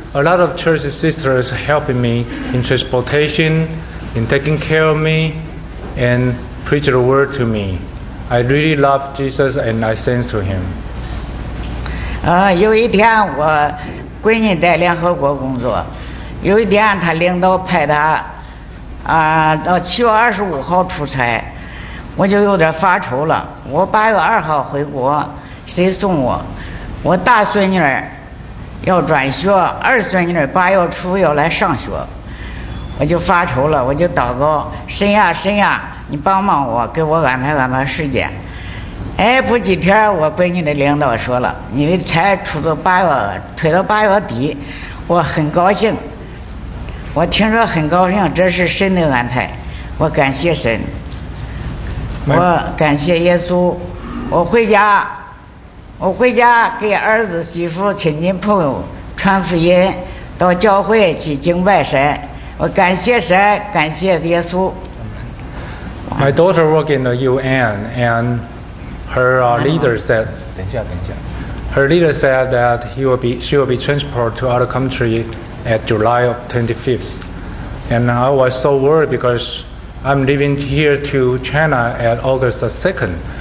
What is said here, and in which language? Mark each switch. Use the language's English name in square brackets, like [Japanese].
[English] A lot of church sisters helping me in transportationin taking care of me and preach the word to me. I really love Jesus and I sense to him. [Chinese] 有一天我闺女在联合国工作，有一天她领导派她到7月25号出差，我就有点发愁了。我8月2号回国，谁送我？我大孙女要转学，二孙女8月初要来上学。我就发愁了，我就祷告神呀神呀，你帮帮我，给我安排安排时间。不几天我闺女的领导说了，你的差出到8月底。我很高兴，我听说很高兴，这是神的安排。我感谢神，我感谢耶稣。我回家给儿子媳妇亲戚朋友传福音，到教会去敬拜神，我感谢神，感谢耶稣。 [English] My daughter work in the UN, and her leader said, [Chinese] 等一下。 [English] Her leader said that she will be transported to other country at July of 25th. And I was so worried because I'm leaving here to China at August the 2nd.